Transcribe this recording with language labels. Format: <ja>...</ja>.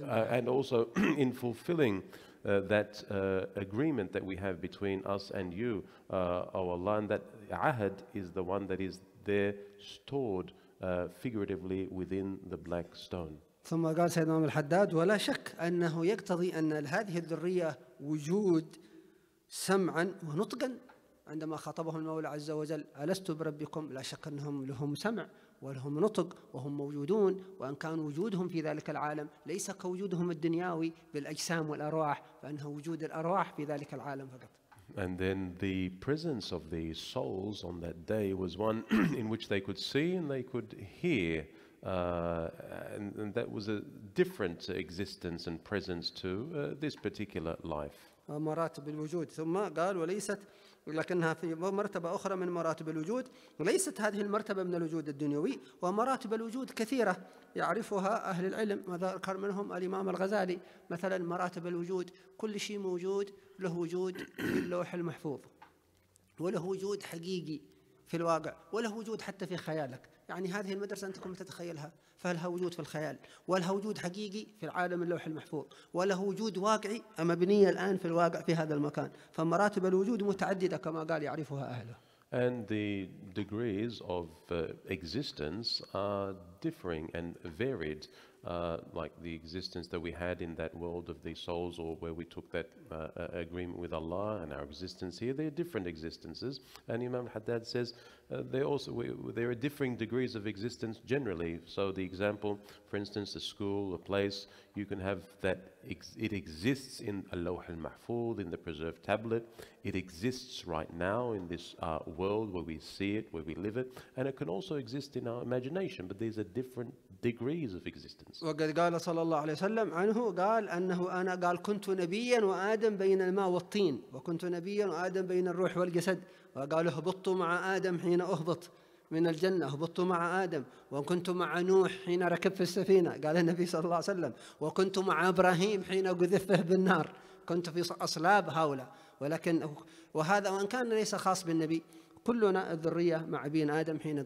<en>and also in fulfilling that agreement that we have between us and you, O Allah, and that ahad is the one that is there stored figuratively within the black stone.</en> <ar>ثم قال سيدنا أم الحداد: ولا شك أنه يقتضي أن هذه الذرية وجود سمعا ونطقا. عندما خطبهم المولى عز وجل ألست بربكم، لا شك أنهم لهم سمع ولهم نطق وهم موجودون، وأن كان وجودهم في ذلك العالم ليس كوجودهم الدنياوي بالأجسام والأرواح، فإنه وجود الأرواح في ذلك العالم فقط.</ar> <en>And then the presence of the souls on that day was one in which they could see and they could hear, and that was a different existence and presence to this particular life.</en> <ar>مراتب الوجود. ثم قال: وليست، لكنها في مرتبة أخرى من مراتب الوجود، ليست هذه المرتبة من الوجود الدنيوي، ومراتب الوجود كثيرة يعرفها أهل العلم، وذكر منهم الإمام الغزالي مثلا مراتب الوجود: كل شيء موجود له وجود في اللوح المحفوظ، وله وجود حقيقي في الواقع، وله وجود حتى في خيالك. يعني هذه المدرسة أنت كنت تتخيلها، فلها وجود في الخيال، ولها وجود حقيقي في العالم اللوح المحفوظ، وله وجود واقعي مبني الآن في الواقع في هذا المكان. فمراتب الوجود متعددة كما قال يعرفها أهله.</ar> <en>And the degrees of existence are differing and varied, like the existence that we had in that world of the souls, or where we took that agreement with Allah, and our existence here, they are different existences. And Imam Haddad says there are differing degrees of existence generally. So the example, for instance, a school, a place, you can have that it exists in Al-Lawh Al-Mahfuz, in the preserved tablet. It exists right now in this world where we see it, where we live it. And it can also exist in our imagination, but these are different degrees of existence.</en> <ar>وقد قال صلى الله عليه وسلم عنه قال أنه أنا قال كنت نبيا وآدم بين الماء والطين وكنت نبيا وآدم بين الروح والجسد وقال اهبطوا مع آدم حين أهبط من الجنة اهبطوا مع آدم وكنت مع نوح حين ركب في السفينة قال النبي صلى الله عليه وسلم وكنت مع إبراهيم حين قذفه بالنار كنت في أصلاب هؤلاء ولكن وهذا وإن كان ليس خاص بالنبي كلنا الذرية مع بين آدم</ar>